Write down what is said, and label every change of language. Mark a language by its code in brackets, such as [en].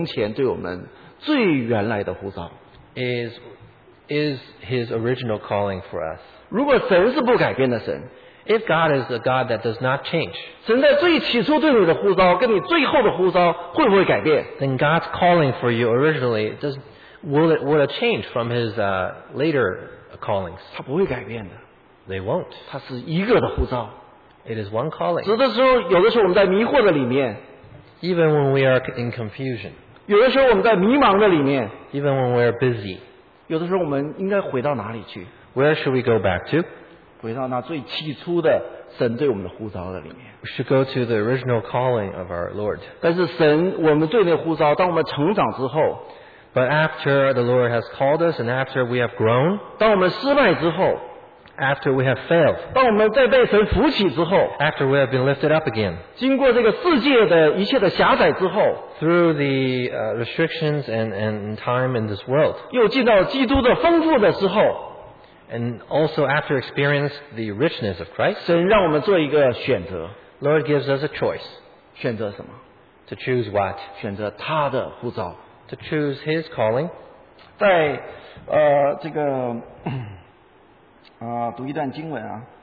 [zh] 那就是他从前对我们最原来的呼召。 [en] Is his original calling for us? [zh] 如果神是不改变的神, [en] if God is a God that does not change, [zh] 神在最起初对你的呼召跟你最后的呼召会不会改变? [en] Then God's calling for you originally will it change from his later callings? [zh] 他不会改变的。 [en] They won't. [zh] 他是一个的呼召。 [en] It is one calling. [zh] 有的时候我们在迷惑的里面, [en] even when we are in confusion, [zh] 有的时候我们在迷茫的里面, [en] even when we are busy, [zh] 有的时候我们应该回到哪里去? [en] Where should we go back to? [zh] 回到那最起初的神对我们的呼召的里面。 [en] We should go to the original calling of our Lord. [zh] 但是神，我们对那呼召，当我们成长之后, [en] but after the Lord has called us and after we have grown, [zh] 当我们失败之后, [en] after we have failed, [zh] 当我们再被神扶起之后, [en] after we have been lifted up again, [zh] 经过这个世界的一切的狭窄之后, [en] through the restrictions and time in this world, [zh] 又进到基督的丰富的时候, [en] and also after experience the richness of Christ, [zh] 神让我们做一个选择, [en] Lord gives us a choice. [zh] 选择什么? [en] To choose what? [zh] 选择他的呼召。 [en] To choose His calling. [zh] 在这个 读一段经文啊,